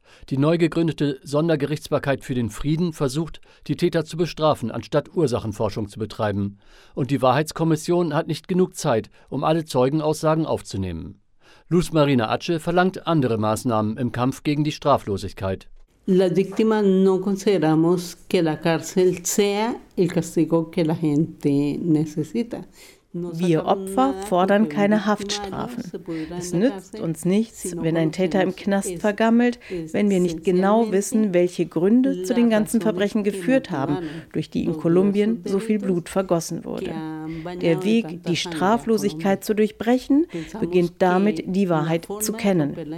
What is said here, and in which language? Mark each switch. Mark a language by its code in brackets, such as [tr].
[de] Die neu gegründete Sondergerichtsbarkeit für den Frieden versucht, die Täter zu bestrafen, anstatt Ursachenforschung zu betreiben. Und die Wahrheitskommission hat nicht genug Zeit, um alle Zeugenaussagen aufzunehmen. Luz Marina Ache verlangt andere Maßnahmen im Kampf gegen die Straflosigkeit. [es] Las víctimas no consideramos que la cárcel sea el castigo que la gente necesita. [de] Wir Opfer fordern keine Haftstrafen. Es nützt uns nichts, wenn ein Täter im Knast vergammelt, wenn wir nicht genau wissen, welche Gründe zu den ganzen Verbrechen geführt haben, durch die in Kolumbien so viel Blut vergossen wurde. Der Weg, die Straflosigkeit zu durchbrechen, beginnt damit, die Wahrheit zu kennen.